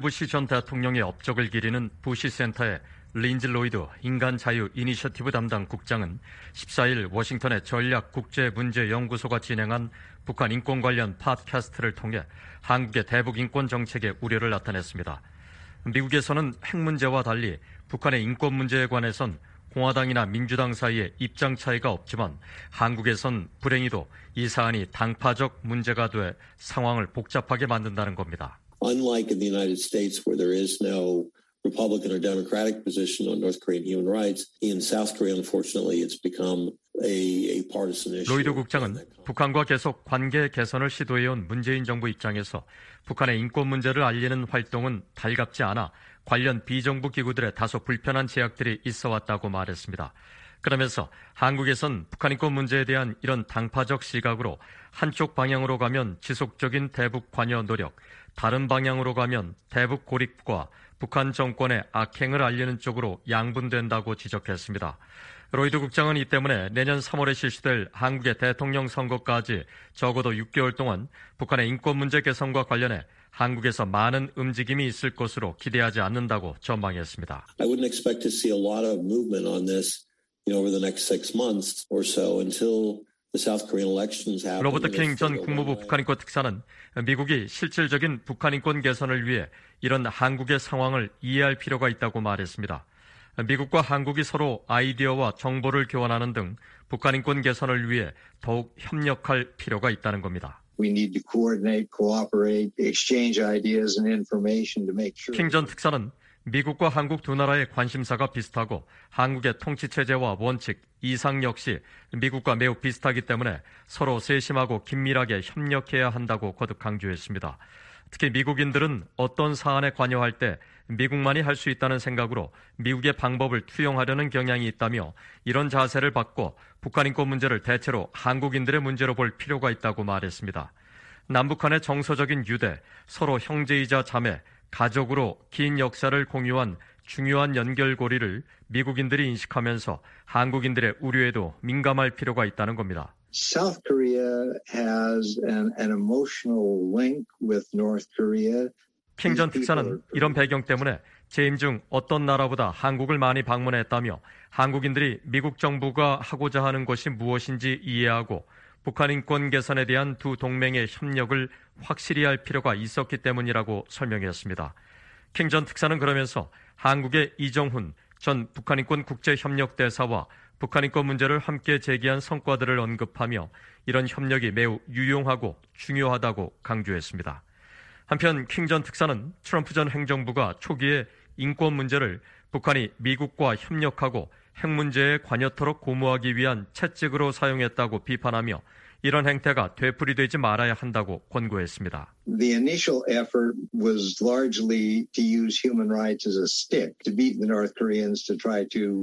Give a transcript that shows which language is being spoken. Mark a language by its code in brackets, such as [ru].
[ko] 부시 전 대통령의 업적을 기리는 부시 센터의 린즈 로이드 인간자유 이니셔티브 담당 국장은 14일 워싱턴의 전략국제문제연구소가 진행한 북한 인권 관련 팟캐스트를 통해 한국의 대북 인권 정책에 우려를 나타냈습니다. 미국에서는 핵 문제와 달리 북한의 인권 문제에 관해선 공화당이나 민주당 사이에 입장 차이가 없지만 한국에선 불행히도 이 사안이 당파적 문제가 돼 상황을 복잡하게 만든다는 겁니다. [en] Unlike in the United States where there is no Republican or Democratic position on North Korean human rights, in South Korea unfortunately it's become a partisan issue. [ko] 로이드 국장은 북한과 계속 관계 개선을 시도해 온 문재인 정부 입장에서 북한의 인권 문제를 알리는 활동은 달갑지 않아 관련 비정부 기구들의 다소 불편한 제약들이 있어 왔다고 말했습니다. 그러면서 한국에선 북한 인권 문제에 대한 이런 당파적 시각으로 한쪽 방향으로 가면 지속적인 대북 관여 노력, 다른 방향으로 가면 대북 고립과 북한 정권의 악행을 알리는 쪽으로 양분된다고 지적했습니다. 로이드 국장은 이 때문에 내년 3월에 실시될 한국의 대통령 선거까지 적어도 6개월 동안 북한의 인권 문제 개선과 관련해 한국에서 많은 움직임이 있을 것으로 기대하지 않는다고 전망했습니다. [en] I wouldn't expect to see a lot of movement on this, you know, over the next six months or so until the South Korean elections happen. [ko] 로버트 킹 전 국무부 북한인권 특사는 미국이 실질적인 북한인권 개선을 위해 이런 한국의 상황을 이해할 필요가 있다고 말했습니다. 미국과 한국이 서로 아이디어와 정보를 교환하는 등 북한인권 개선을 위해 더욱 협력할 필요가 있다는 겁니다. [en] We need to coordinate, cooperate, exchange ideas and information to make sure. [ko] 킹 전 특사는 미국과 한국 두 나라의 관심사가 비슷하고 한국의 통치 체제와 원칙, 이상 역시 미국과 매우 비슷하기 때문에 서로 세심하고 긴밀하게 협력해야 한다고 거듭 강조했습니다. 특히 미국인들은 어떤 사안에 관여할 때 미국만이 할 수 있다는 생각으로 미국의 방법을 투영하려는 경향이 있다며 이런 자세를 바꿔 북한 인권 문제를 대체로 한국인들의 문제로 볼 필요가 있다고 말했습니다. 남북한의 정서적인 유대, 서로 형제이자 자매, 가족으로 긴 역사를 공유한 중요한 연결고리를 미국인들이 인식하면서 한국인들의 우려에도 민감할 필요가 있다는 겁니다. [en] South Korea has an emotional link with North Korea. [ko] 킹 전 특사는 이런 배경 때문에 재임 중 어떤 나라보다 한국을 많이 방문했다며 한국인들이 미국 정부가 하고자 하는 것이 무엇인지 이해하고 북한 인권 개선에 대한 두 동맹의 협력을 확실히 할 필요가 있었기 때문이라고 설명했습니다. 킹 전 특사는 그러면서 한국의 이정훈 전 북한인권국제협력대사와 북한인권 문제를 함께 제기한 성과들을 언급하며 이런 협력이 매우 유용하고 중요하다고 강조했습니다. 한편 킹 전 특사는 트럼프 전 행정부가 초기에 인권 문제를 북한이 미국과 협력하고 핵 문제에 관여토록 고무하기 위한 채찍으로 사용했다고 비판하며 이런 행태가 되풀이되지 말아야 한다고 권고했습니다. [en] The initial effort was largely to use human rights as a stick to beat the North Koreans to try to